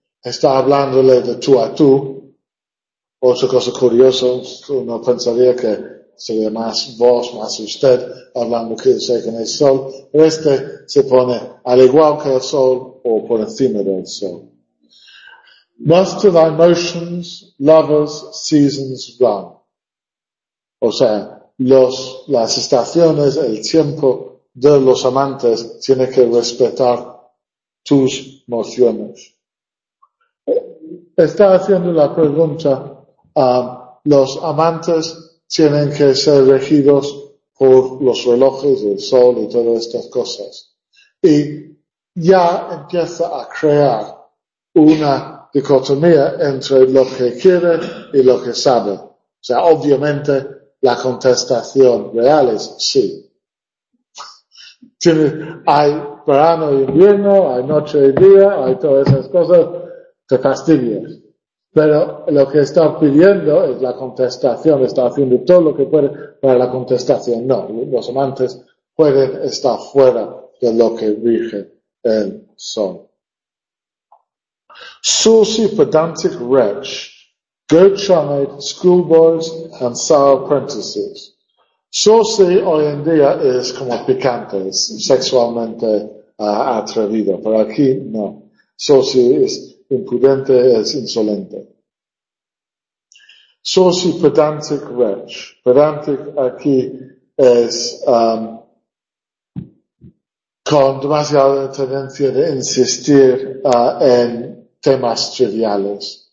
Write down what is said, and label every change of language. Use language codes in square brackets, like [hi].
[es] Está hablándole de tú a tú. Otra cosa curiosa, uno pensaría que sería más vos, más usted, hablando que sé con el sol, pero este se pone al igual que el sol o por encima del sol. [en] Must to thy motions, lovers, seasons run. [es] O sea, las estaciones, el tiempo de los amantes tiene que respetar tus mociones. Está haciendo la pregunta, los amantes tienen que ser regidos por los relojes, el sol y todas estas cosas. Y ya empieza a crear una dicotomía entre lo que quiere y lo que sabe. O sea, obviamente la contestación real es sí. Tiene, hay verano e invierno, hay noche y día, hay todas esas cosas, te fastidias. Pero lo que está pidiendo es la contestación, está haciendo todo lo que puede para la contestación. No, los amantes pueden estar fuera de lo que rige el sol. [en] Saucy, pedantic wretch, goat-eyed schoolboys and sour apprentices. [es] Saucy hoy en día es como picante, es sexualmente atrevido, pero aquí no. Saucy es imprudente, es insolente. [en] Saucy, pedantic wretch. [es] Pedantic aquí es con demasiada tendencia de insistir en temas triviales.